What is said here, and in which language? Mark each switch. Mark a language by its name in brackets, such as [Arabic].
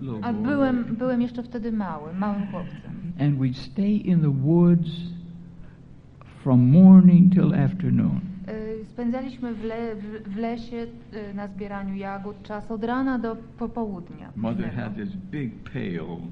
[Polish] a byłem jeszcze wtedy małym chłopcem. [English] And we'd stay in the woods from morning till afternoon. [Polish] Spędzaliśmy w lesie na zbieraniu jagód czas od rana do popołudnia. [English] Mother had this big pail.